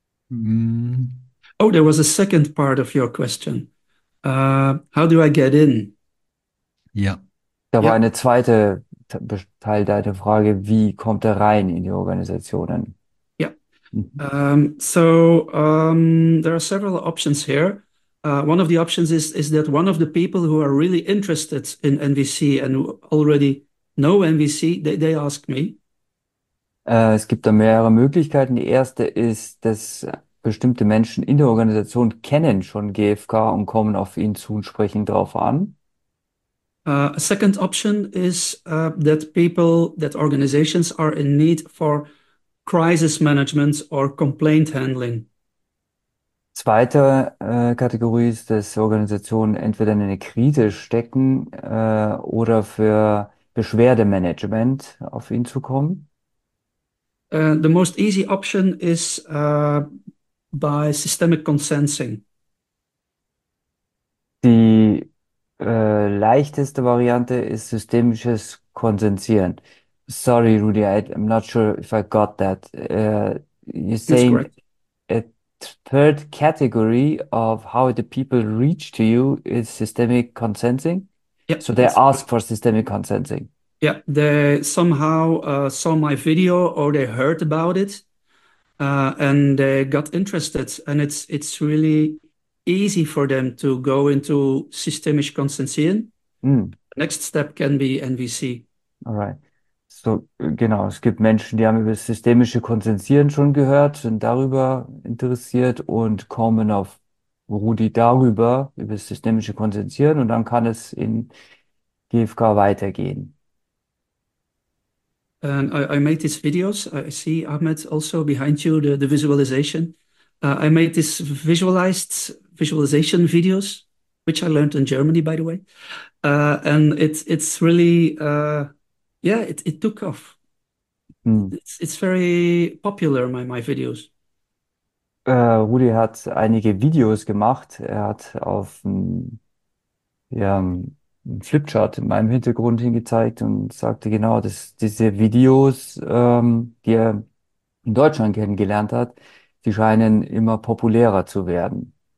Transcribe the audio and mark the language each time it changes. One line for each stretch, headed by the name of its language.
English: Oh, there was a second part of your question. How do I get in?
German: Ja, Ja. da war eine zweite Teil deiner Frage, wie kommt er rein in die Organisationen?
English: There are several options here. One of the options is that one of the people who are really interested in NVC and who already know NVC, they ask me.
German: Es gibt da mehrere Möglichkeiten. Die erste ist, dass bestimmte Menschen in der Organisation kennen schon GFK und kommen auf ihn zu und sprechen darauf an.
English: A second option is that people, that organizations are in need for crisis management or complaint handling.
German: Zweite Kategorie ist, dass Organisationen entweder in eine Krise stecken oder für Beschwerdemanagement auf ihn zukommen.
English: The most easy option is by systemic consensing.
German: Die leichteste Variante ist systemisches Konsensieren.
English: Sorry, Rudy, I'm not sure if I got that. You're That's saying correct. third category of how the people reach to you is systemic consensing. Yep, So they that's ask correct. for systemic consensing. Yeah, they somehow saw my video or they heard about it and they got interested. And it's really easy for them to go into systemisch Konsensieren. Next step can be NVC. All right.
German: So, genau, es gibt Menschen, die haben über das systemische Konsensieren schon gehört, sind darüber interessiert und kommen auf Rudi darüber, über das systemische Konsensieren und dann kann es in GFK weitergehen.
English: And I made these videos. I see Ahmed also behind you, the visualization. I made these visualization videos. which I learned in Germany, by the way. And it's really, yeah, it took off. It's very popular, my videos.
German: Rudi hat einige Videos gemacht. Er hat auf einen Flipchart in meinem Hintergrund hingezeigt und sagte genau, dass diese Videos, die er in Deutschland kennengelernt hat, die scheinen immer populärer zu werden.